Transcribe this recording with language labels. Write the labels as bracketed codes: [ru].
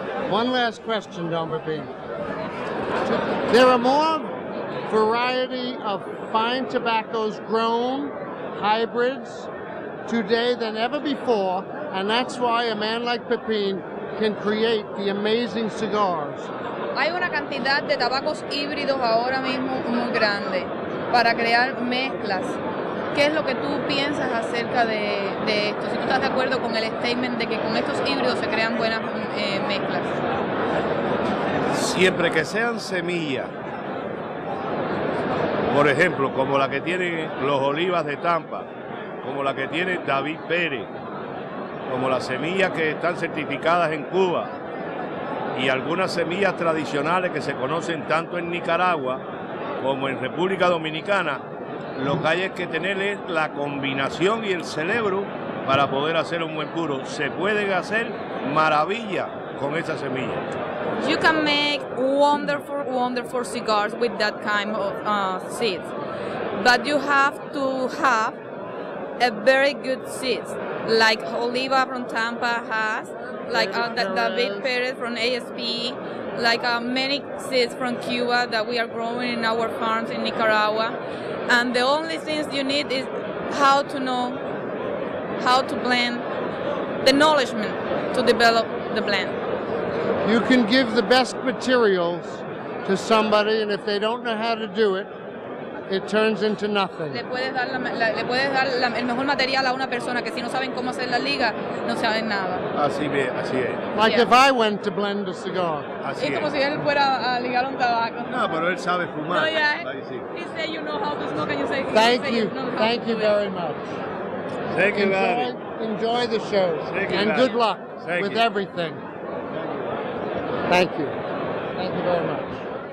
[en] One last question, Don Pepin. There are more variety of fine tobaccos grown, hybrids, today than ever before, and that's why a man like Pepin can create the amazing cigars. [es] Hay una cantidad de tabacos híbridos ahora mismo muy grande para crear mezclas. ¿Qué es lo que tú piensas acerca de esto? Si tú estás de acuerdo con el statement de que con estos híbridos se crean buenas mezclas. Siempre que sean semillas, por ejemplo, como la que tienen los Olivas de Tampa, como la que tiene David Pérez, como las semillas que están certificadas en Cuba y algunas semillas tradicionales que se conocen tanto en Nicaragua como en República Dominicana, lo que hay es que tener es la combinación y el cerebro para poder hacer un buen puro. Se puede hacer maravilla con esa semilla. [en] You can make wonderful cigars with that kind of seeds, but you have to have a very good seeds, like Oliva from Tampa has, like David Perez from ASP, like many seeds from Cuba that we are growing in our farms in Nicaragua. And the only things you need is how to know, how to blend, the knowledge to develop the blend. You can give the best materials to somebody, and if they don't know how to do it, it turns into nothing. [es] Le puedes dar el mejor material a una persona que si no saben cómo hacer la liga, no saben nada. Así es. [en] Like if I went to blend a cigar. [es] Así es. Es como si él fuera a ligar un tabaco. No, pero él sabe fumar. [en] No, yeah. He said you know how to smoke and you say Thank you very much. Thank you, man. Enjoy the show. Thank you. Good luck with everything. Thank you very much.